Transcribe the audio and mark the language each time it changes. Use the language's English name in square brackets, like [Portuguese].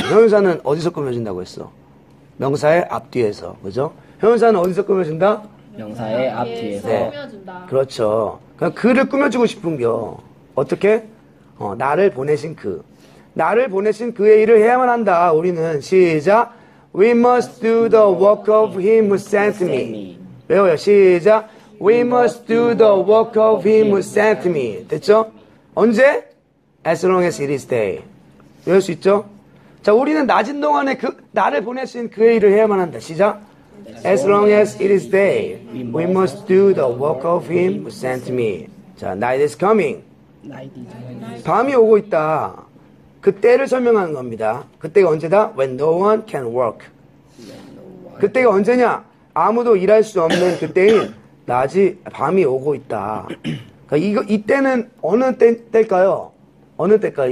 [Korean] 형용사는 어디서 꾸며준다고 했어? 명사의 앞뒤에서. 그죠? 형용사는 어디서 꾸며준다? 명사의 앞뒤에서. 네. 꾸며준다. 그렇죠. 그냥 그를 꾸며주고 싶은 겨. 어떻게? 나를 보내신 그. 나를 보내신 그의 일을 해야만 한다. 우리는 시작. [English] We must do the work of him who sent me. [Korean] 외워요. 시작. [English] We must do the work of him who sent me. [Korean] 됐죠? 언제? [English] As long as it is day. [Korean] 외울 수 있죠? 자, 우리는 낮은 동안에 그 나를 보내신 그의 일을 해야만 한다. 시작. [English] As long as it is day, we must do the work of him who sent me. [Korean] 자, [English] night is coming. [Korean] 밤이 오고 있다. 그 때를 설명하는 겁니다. 그때가 언제다? [English] When no one can work. [Korean] 그때가 언제냐? 아무도 일할 수 없는 그때인 낮이 밤이 오고 있다. 그러니까 이거 이때는 어느 때일까요? 어느 때일까요?